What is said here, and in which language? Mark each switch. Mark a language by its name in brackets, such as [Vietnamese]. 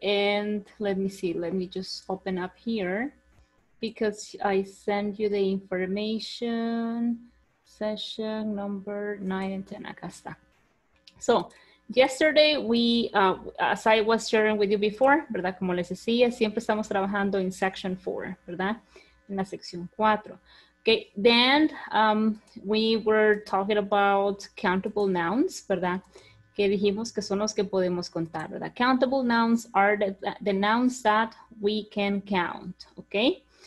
[English] And let me see. Let me just open up here because I send you the information. Session number 9 and 10. [Spanish] Acá está. [English] So yesterday, we, as I was sharing with you before, ¿verdad? [Spanish] Como les decía, siempre estamos trabajando [English] in section 4, [Spanish] ¿verdad? En la sección 4. [English] Okay, then we were talking about countable nouns, ¿verdad? [Spanish] Que dijimos que son los que podemos contar, ¿verdad? [English] Countable nouns are the nouns that we can count, okay?